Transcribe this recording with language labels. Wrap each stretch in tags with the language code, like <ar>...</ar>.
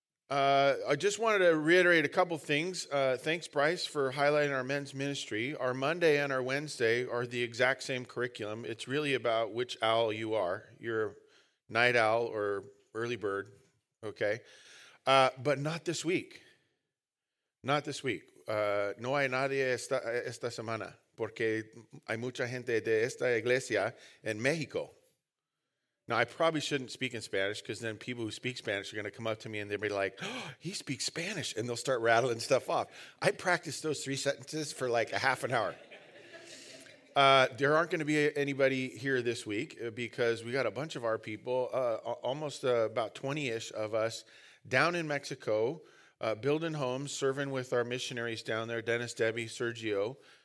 <en>I just wanted to reiterate a couple things. Thanks, Bryce, for highlighting our men's ministry. Our Monday and our Wednesday are the exact same curriculum. It's really about which owl you are. You're a night owl or early bird, okay? But not this week. Not this week.</en> <es>No hay nadie esta semana. Porque hay mucha gente de esta iglesia en México.</es> <en>Now, I probably shouldn't speak in Spanish because then people who speak Spanish are going to come up to me and they'll be like, oh, he speaks Spanish, and they'll start rattling stuff off. I practiced those three sentences for like a half an hour. There aren't going to be anybody here this week because we got a bunch of our people, almost about 20-ish of us, down in Mexico, building homes, serving with our missionaries down there, Dennis, Debbie, Sergio.</en>